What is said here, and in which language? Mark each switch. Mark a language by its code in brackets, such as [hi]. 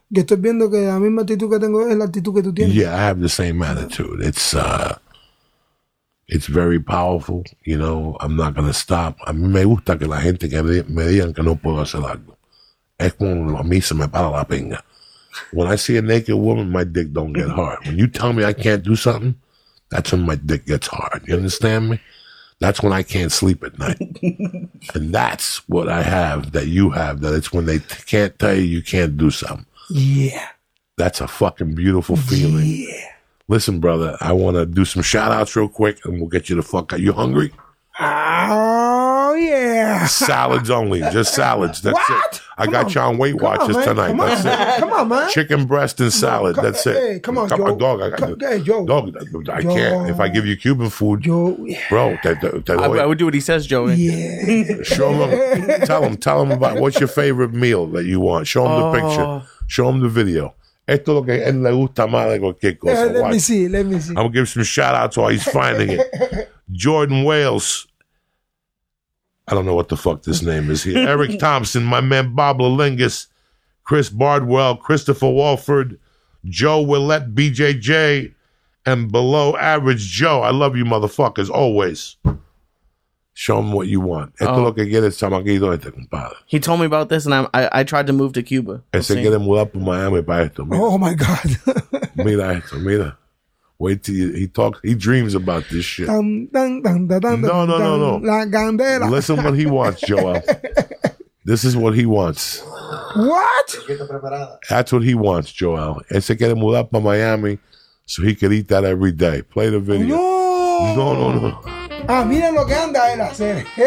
[es] Que estoy viendo que la misma actitud que tengo es la actitud que tú tienes. [en] Yeah, I have the same attitude. It's very powerful. You know, I'm not going to stop. [es] A mí me gusta que la gente que me digan que no puedo hacer algo. Es como a mí se me para la pinga. [en] When I see a naked woman, my dick don't get hard. When you tell me I can't do something, that's when my dick gets hard. You understand me? That's when I can't sleep at night. And that's what I have that you have, that it's when they can't tell you you can't do something. Yeah. That's a fucking beautiful feeling. Yeah. Listen, brother, I want to do some shout-outs real quick, and we'll get you the fuck out. You hungry? Oh, yeah. Salads only. Just salads. That's what? It. I got you on Weight Watchers tonight. Come on. That's it. Come on, man. Chicken breast and salad. Come, that's it. Hey, come on, come, Joe. Dog, I can't. If I give you Cuban food, Joe. Bro, I would do what he says, Joey. Yeah. Show him. Tell him about what's your favorite meal that you want. Show him the picture. Show him the video. [es] Esto es lo que él le gusta más de cualquier cosa. [en] Let me see. I'm going to give some shout outs while he's finding it. Jordan Wales. I don't know what the fuck this name is here. Eric Thompson, my man Bob Lalingus, Chris Bardwell, Christopher Walford, Joe Willette, BJJ, and below average Joe. I love you motherfuckers, always. Show them what you want. [es] Esto lo que quieres, chamaquito, este compadre. [en] He told me about this, and I tried to move to Cuba. [es] Ese quiere mudar por Miami para esto. Mira. [en] Oh, my God. [es] Mira esto, mira. [en] Wait till he talks. He dreams about this shit. Dun, dun, dun, dun, dun, no, no, dun, no, no. [es] La candela. [en] Listen what he wants, Joel. This is what he wants. What? That's what he wants, Joel. [es] Ese quiere mudar para Miami [en] so he could eat that every day. Play the video. No. No, no, no. [es] Ah, miren lo que anda él a hacer.